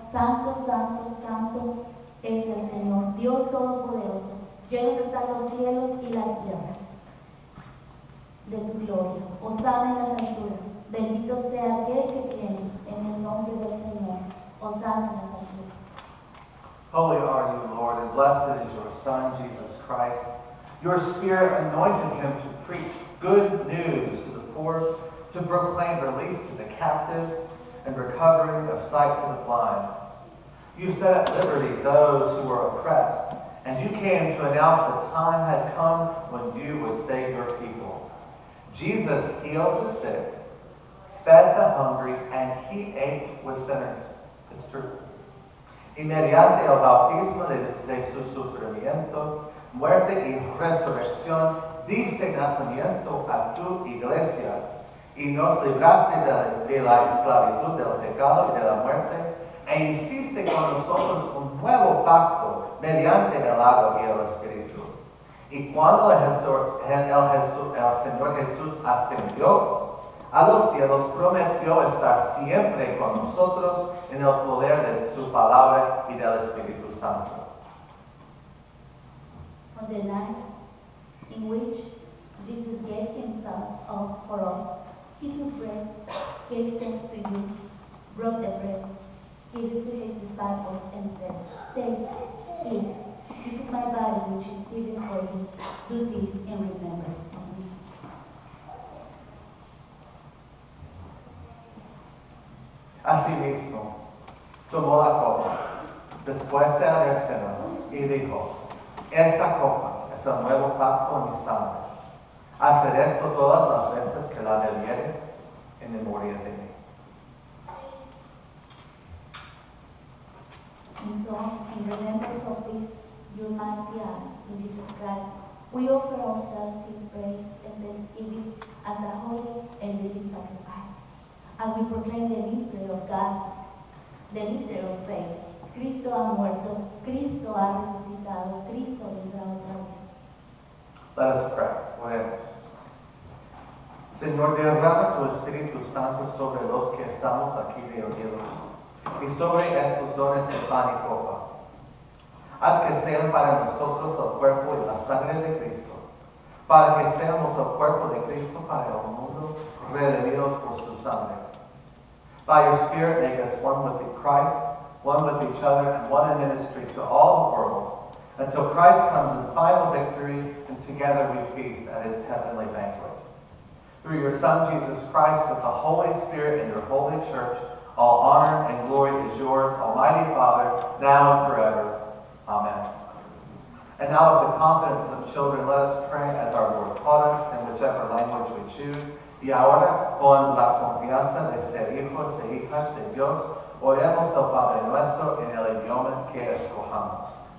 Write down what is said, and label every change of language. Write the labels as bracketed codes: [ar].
[es] Santo, santo, santo es el Señor, Dios Todopoderoso. Llenos están los cielos y la tierra de tu gloria. Hosana en las alturas. Bendito sea aquel que viene en el nombre del Señor. Hosana en las alturas. [en] Holy are you, Lord, and blessed is your Son, Jesus Christ. Your Spirit anointed him to preach good news to the poor, to proclaim release to the captives and recovery of sight to the blind. You set at liberty those who were oppressed, and you came to announce the time had come when you would save your people. Jesus healed the sick, fed the hungry, and he ate with sinners. It's true. [es] Inmediato el bautismo de su sufrimiento, muerte y resurrección, diste nacimiento a tu iglesia, y nos libraste de la esclavitud del pecado y de la muerte, e hiciste con nosotros un nuevo pacto mediante el agua y el Espíritu. Y cuando el Señor Jesús ascendió a los cielos, prometió estar siempre con nosotros en el poder de su palabra y del Espíritu Santo. [en] On the night in which Jesus gave himself up for us, he took bread, gave thanks to you, broke the bread, gave it to his disciples, and said, "Take, eat. This is my body, which is given for you. Do this in remembrance of me." [es] Asimismo, tomó la copa, después de haber cenado, y dijo, "Esta copa es el nuevo pacto en mi sangre. Hacer esto todas las veces que la bebieres en memoria de mí." [en] And so, in remembrance of this, your mighty acts in Jesus Christ, we offer ourselves in praise and thanksgiving as a holy and living sacrifice. As we proclaim the mystery of God, the mystery of faith, [es] Cristo ha muerto, Cristo ha resucitado, Cristo vendrá otra vez. [en] Let us pray. [es] Oremos. Señor, derrama tu Espíritu Santo sobre los que estamos aquí reunidos y sobre estos dones de pan y copa. Haz que sean para nosotros el cuerpo y la sangre de Cristo, para que seamos el cuerpo de Cristo para el mundo, redimidos por su sangre. [en] Sunday. By your Spirit, make us one with Christ, one with each other, and one in ministry to all the world, until Christ comes in final victory, and together we feast at his heavenly banquet. Through your Son, Jesus Christ, with the Holy Spirit in your holy church, all honor and glory is yours, Almighty Father, now and forever. Amen. And now with the confidence of children, let us pray as our Lord taught us in whichever language we choose. [es] Y ahora, con la confianza de ser hijos e hijas de Dios, oremos al Padre nuestro en el idioma que escojamos.